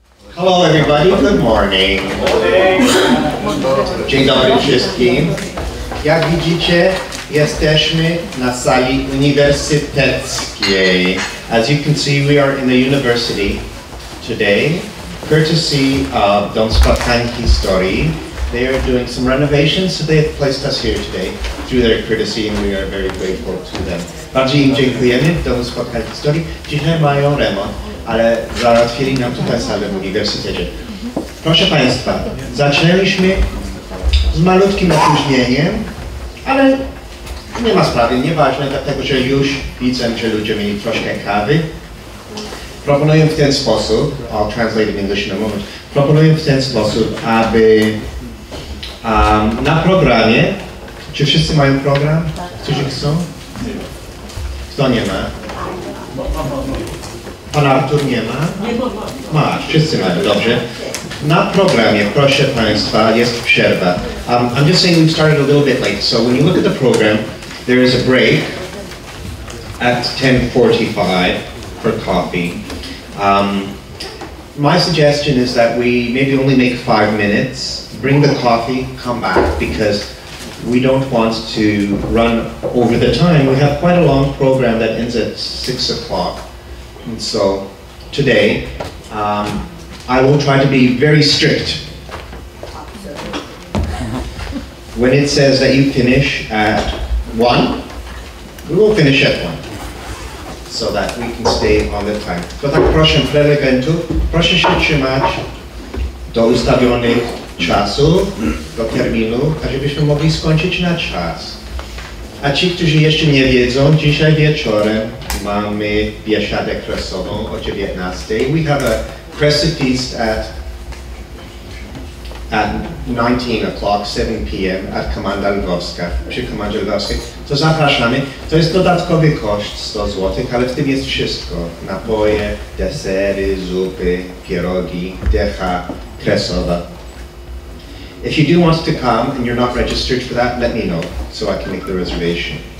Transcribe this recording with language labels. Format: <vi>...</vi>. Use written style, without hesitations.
<en>Hello everybody, good morning. Good morning.</en> <pl>Dzień dobry wszystkim. Jak widzicie, jesteśmy na sali uniwersyteckiej.</pl> <en>As you can see, we are in the university today, courtesy of Dom Spotkań Historii. They are doing some renovations, so they have placed us here today through their courtesy, and we are very grateful to them.</en> <pl>Bardzo im dziękujemy, Dom Spotkań Historii. Dzisiaj mają remont, ale załatwili nam tutaj salę w uniwersytecie. Proszę Państwa, zaczęliśmy z malutkim opóźnieniem, ale nie ma sprawy, nieważne, dlatego że już widzę, że ludzie mieli troszkę kawy. Proponuję w ten sposób,</pl> <en>I'll translate in English in a moment,</en> <pl>proponuję w ten sposób, aby na programie, czy wszyscy mają program? Którzy chcą? Kto nie ma? Pan Artur nie ma? Ma, wszyscy mają, dobrze. Na programie, proszę Państwa, jest przerwa.</pl> <en>I'm just saying we've started a little bit late, so when you look at the program, there is a break at 10:45 for coffee. My suggestion is that we maybe only make 5 minutes, bring the coffee, come back, because we don't want to run over the time. We have quite a long program that ends at 6 o'clock. And so today, I will try to be very strict. When it says that you finish at 1, we will finish at 1. So that we can stay on the time.</en> <pl>To tak proszę prelegentów, proszę się trzymać do ustawionych czasu, do terminu, a żebyśmy mogli skończyć na czas. A ci, którzy jeszcze nie wiedzą, dzisiaj wieczorem mamy biesiadę kresową o 19:00.</pl> <en>We have a kresy feast at 19 o'clock, 7 p.m.</en> <pl>at Komanda Lwowska, przy Komandzie Lwowskiej. To zapraszamy. To jest dodatkowy koszt 100 zł, ale w tym jest wszystko. Napoje, desery, zupy, pierogi, decha, kresowa.</pl> <en>If you do want to come and you're not registered for that, let me know so I can make the reservation.</en>